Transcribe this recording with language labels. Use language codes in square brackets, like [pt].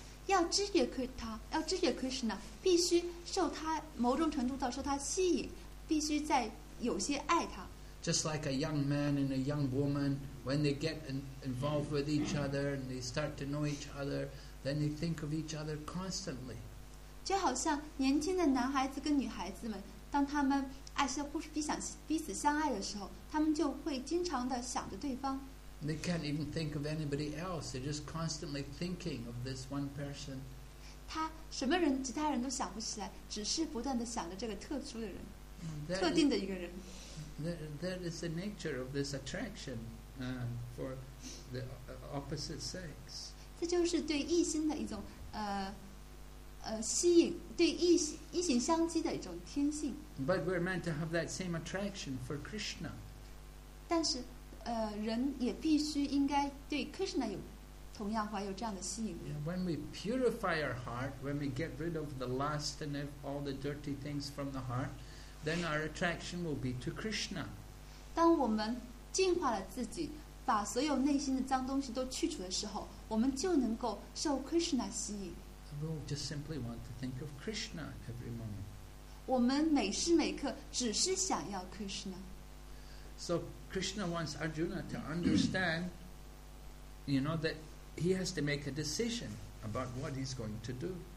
[zh] 要知觉他，要知觉 Krishna， 必须受他某种程度到受他吸引，必须再有些爱他。 [en] Just like a young man and a young woman, when they get involved with each other and they start to know each other, then they think of each other constantly. [zh] 就好像年轻的男孩子跟女孩子们，当他们爱是互相彼此相爱的时候，他们就会经常的想着对方。 [en] They can't even think of anybody else. They're just constantly thinking of this one person. [zh] 他什么人，其他人都想不起来，只是不断的想着这个特殊的人， [en] that、 [zh] 特定的一个人。 [en] That is the nature of this attraction, for the opposite sex. [zh] 这就是对异性的一种吸引，对异性相吸的一种天性。 [en] But we're meant to have that same attraction for Krishna. [zh] 但是，人也必须应该对 Krishna 有同样怀有这样的吸引力。 [en] Yeah, when we purify our heart, when we get rid of the lust and all the dirty things from the heart, then our attraction will be to Krishna. [zh] 当我们净化了自己，把所有内心的脏东西都去除的时候，我们就能够受 Krishna 吸引。 [en] We'll just simply want to think of Krishna every moment. [zh] 我们每时每刻只是想要 Krishna. [en] So Krishna wants Arjuna to understand, you know, that he has to make a decision about what he's going to do.